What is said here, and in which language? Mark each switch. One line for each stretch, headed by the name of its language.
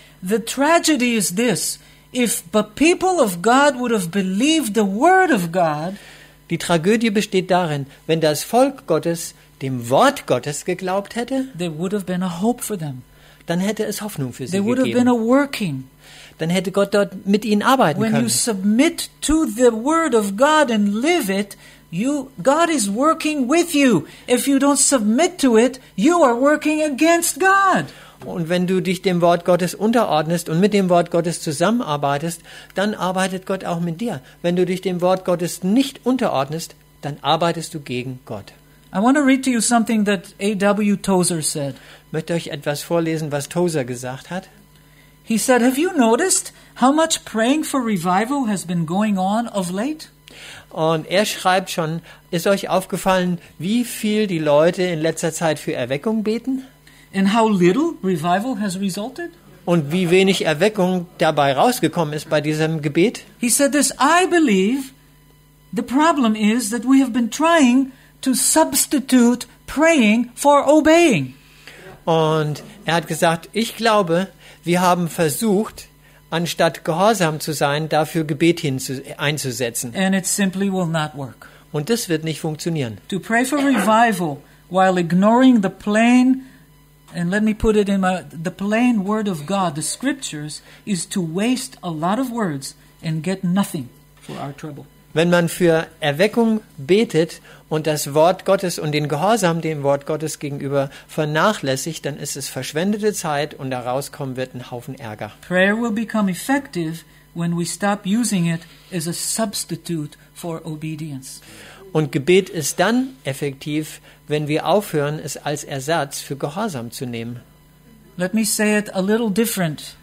English: The tragedy is this: if the people of God would have believed the word of God,
German: die Tragödie besteht darin, wenn das Volk Gottes dem Wort Gottes geglaubt hätte,
English: there would have been a hope for them.
German: Dann hätte es Hoffnung für sie gegeben.
English: There would have been a working.
German: Dann hätte Gott dort mit ihnen arbeiten
English: when
German: können.
English: When you submit to the word of God and live it, God is working with you. If you don't submit to it, you are working against God.
German: Und wenn du dich dem Wort Gottes unterordnest und mit dem Wort Gottes zusammenarbeitest, dann arbeitet Gott auch mit dir. Wenn du dich dem Wort Gottes nicht unterordnest, dann arbeitest du gegen Gott.
English: I want to read to you something that A.W. Tozer said.
German: Möchte euch etwas vorlesen, was Tozer gesagt hat.
English: He said, "Have you noticed how much praying for revival has been going on of late?"
German: Und er schreibt schon, ist euch aufgefallen, wie viel die Leute in letzter Zeit für Erweckung beten?
English: And how little revival has resulted?
German: Und wie wenig Erweckung dabei rausgekommen ist bei diesem Gebet?
English: He said this, "I believe the problem is that we have been trying to substitute praying for obeying."
German: Und er hat gesagt, ich glaube, wir haben versucht, anstatt gehorsam zu sein, dafür Gebet einzusetzen.
English: And it simply will not work.
German: Und das wird nicht funktionieren.
English: To pray for revival while ignoring the plain, and let me put it in the plain word of God, the scriptures, is to waste a lot of words and get nothing for our trouble.
German: Wenn man für Erweckung betet und das Wort Gottes und den Gehorsam dem Wort Gottes gegenüber vernachlässigt, dann ist es verschwendete Zeit und daraus kommen wird ein Haufen Ärger.
English: Prayer will become effective when we stop using it as a substitute for obedience.
German: Und Gebet ist dann effektiv, wenn wir aufhören, es als Ersatz für Gehorsam zu nehmen.
English: Let me say it a little different.